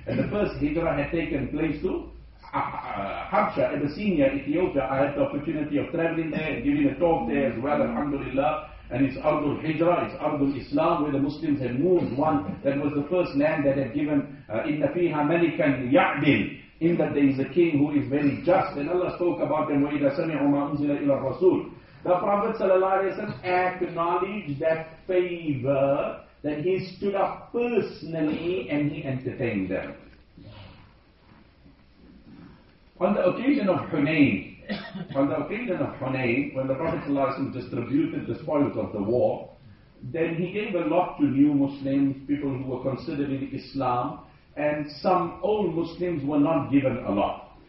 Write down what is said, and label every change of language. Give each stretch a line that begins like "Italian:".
English: And the first hijrah had taken place to Habsha, Abyssinia, Ethiopia. I had the opportunity of traveling there, giving a talk there as well, alhamdulillah. And it's Ardul Hijra, it's Ardul Islam, where the Muslims had moved one that was the first land that had given
Arabic: إِنَّ فِيهَا مَلِكًا يَعْدِلْ.
English: In that there is a king who is very just. And Allah spoke about them,
Arabic: وَإِذَا سَمِعُوا مَا أُنزِلَ إِلَى الرَّسُولِ.
English: The Prophet ﷺ acknowledged that favor, that he stood up personally and he entertained them. On the occasion of Hunayn, when the Prophet ﷺ distributed the spoils of the war, then he gave a lot to new Muslims, people who were considered in Islam, and some old Muslims were not given a lot.